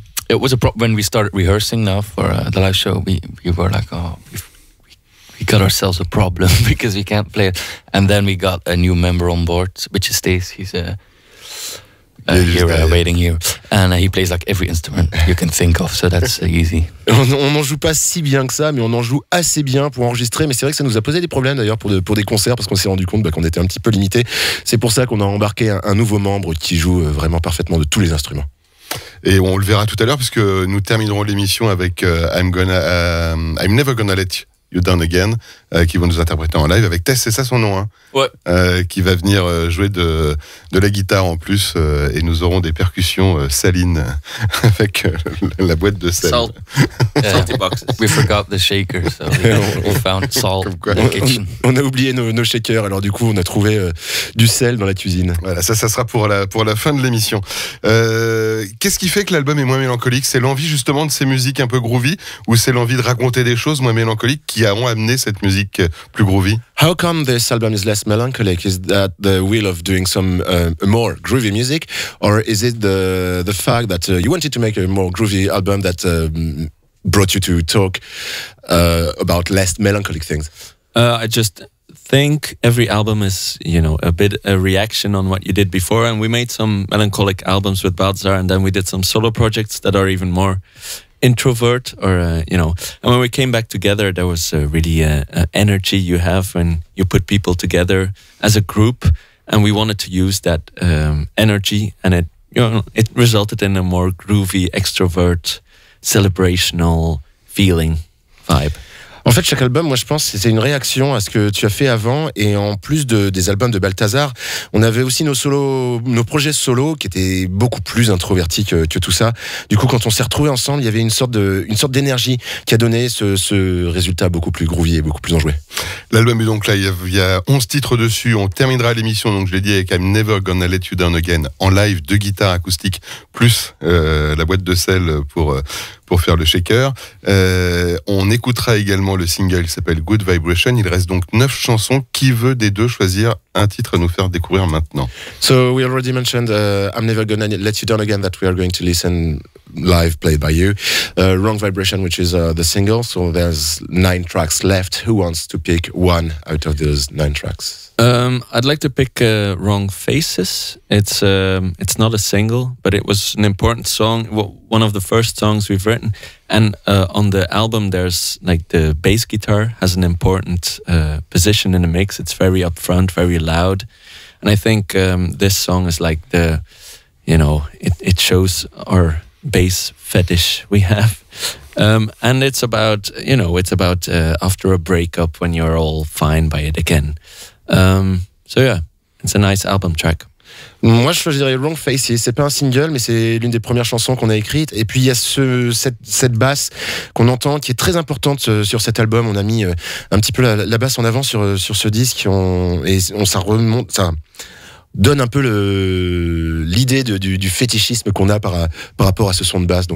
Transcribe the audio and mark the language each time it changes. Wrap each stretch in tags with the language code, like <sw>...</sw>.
<en>It was a problem when we started rehearsing now for the live show. We were like, oh, we got ourselves a problem because we can't play it. And then we got a new member on board, which is Stace. He's here, waiting here, and he plays like every instrument you can think of, so that's easy.</en> <fr>On n'en joue pas si bien que ça, mais on en joue assez bien pour enregistrer. Mais c'est vrai que ça nous a posé des problèmes d'ailleurs pour des concerts, parce qu'on s'est rendu compte qu'on était un petit peu limité. C'est pour ça qu'on a embarqué un nouveau membre qui joue vraiment parfaitement de tous les instruments. Et on le verra tout à l'heure, puisque nous terminerons l'émission avec I'm Never Gonna Let You Down Again, qui vont nous interpréter en live avec Tess, c'est ça son nom, hein, ouais. Qui va venir jouer de la guitare en plus, et nous aurons des percussions salines avec la boîte de sel.</fr> <en>Salt. Salty boxes. We forgot the shaker, so we found salt in the kitchen.</en> <fr>On a oublié nos shakers, alors du coup on a trouvé du sel dans la cuisine. Voilà, ça sera pour la fin de l'émission. Qu'est-ce qui fait que l'album est moins mélancolique? C'est l'envie justement de ces musiques un peu groovy, ou c'est l'envie de raconter des choses moins mélancoliques qui ont amené cette musique plus groovy? How come this album is less melancholic? Is that the will of doing some more groovy music, or is it the fact that you wanted to make a more groovy album that brought you to talk about less melancholic things? I just think every album is, you know, a bit a reaction on what you did before, and we made some melancholic albums with Balthazar, and then we did some solo projects that are even more introvert, or you know, and when we came back together, there was really energy you have when you put people together as a group, and we wanted to use that energy, and it, you know, it resulted in a more groovy, extrovert, celebrational feeling vibe. En fait, chaque album, moi je pense, c'est une réaction à ce que tu as fait avant, et en plus des albums de Balthazar, on avait aussi nos projets solo qui étaient beaucoup plus introvertis que tout ça. Du coup, quand on s'est retrouvés ensemble, il y avait une sorte d'énergie qui a donné ce résultat beaucoup plus groovy et beaucoup plus enjoué. L'album est donc là, il y a 11 titres dessus, on terminera l'émission, donc je l'ai dit, avec I'm Never Gonna Let You Down Again, en live, deux guitares acoustiques, plus la boîte de sel pour faire le shaker. On écoutera également le single qui s'appelle Good Vibration. Il reste donc 9 chansons. Qui veut des deux choisir un titre à nous faire découvrir maintenant?</fr> <en>So we already mentioned I'm Never Gonna Let You Down Again, that we are going to listen live played by you. Wrong Vibration, which is the single. So there's 9 tracks left. Who wants to pick one out of those 9 tracks? I'd like to pick Wrong Faces. It's not a single, but it was an important song, one of the first songs we've written. And on the album, there's like the bass guitar has an important position in the mix. It's very upfront, very loud. And I think this song is like the, you know, it shows our bass fetish we have. And it's about, you know, it's about after a breakup when you're all fine by it again. So yeah, it's a nice album track.</en> <fr>Moi, je choisirais Wrong Faces. C'est pas un single, mais c'est l'une des premières chansons qu'on a écrites. Et puis il y a cette basse qu'on entend, qui est très importante sur cet album. On a mis un petit peu la basse en avant sur ce disque. Ça remonte, ça donne un peu l'idée du fétichisme qu'on a par rapport à ce son de basse.</fr>